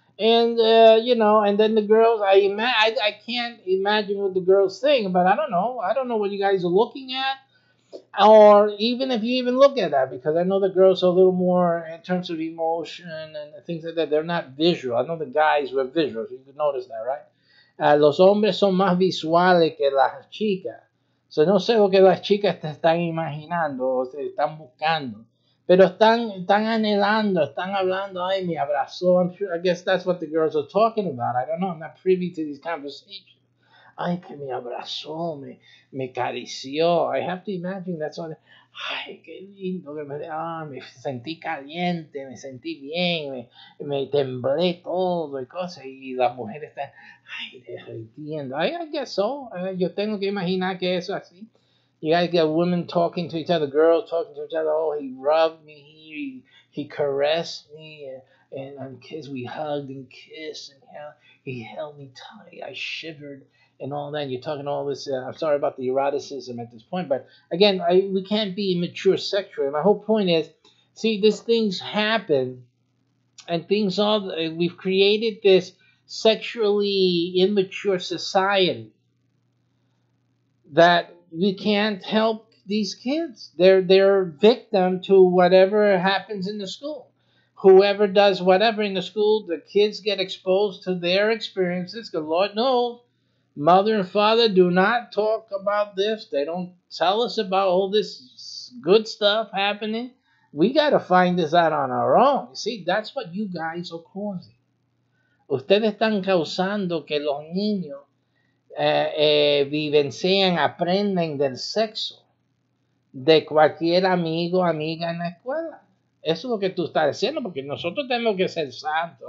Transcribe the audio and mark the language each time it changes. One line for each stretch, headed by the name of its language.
English: And, you know, and then the girls, I can't imagine what the girls think, but I don't know. I don't know what you guys are looking at, or even if you even look at that, because I know the girls are a little more in terms of emotion and things like that. They're not visual. I know the guys were visual. You could notice that, right?
Spanish: Los hombres son más visuales que las chicas. So no sé lo que las chicas te están imaginando o se están buscando. Pero están anhelando, están hablando, ay, me abrazó.
English: I'm sure, I guess that's what the girls are talking about. I don't know, I'm not privy to these conversations.
Spanish: Ay, que me abrazó, me acarició.
English: I have to imagine that's what,
Spanish: ay, qué lindo, que me sentí caliente, me sentí bien, me temblé todo y cosas. Y las mujeres están, ay, derritiendo.
English: I guess so.
Spanish: Yo tengo que imaginar que eso es así.
English: You gotta get women talking to each other, girls talking to each other. Oh, he rubbed me, he caressed me, and kissed. We hugged and kissed, and he held me tight. I shivered and all that. You're talking all this. I'm sorry about the eroticism at this point, but again, we can't be immature sexually. My whole point is, see, these things happen, and things all we've created this sexually immature society that. We can't help these kids. They're victim to whatever happens in the school. Whoever does whatever in the school, the kids get exposed to their experiences. Because Lord knows, mother and father do not talk about this. They don't tell us about all this good stuff happening. We got to find this out on our own. See, that's what you guys are causing.
Spanish: Ustedes están causando que los niños vivencien, aprenden del sexo de cualquier amigo o amiga en la escuela. Eso es lo que tú estás diciendo, porque nosotros tenemos que ser santos.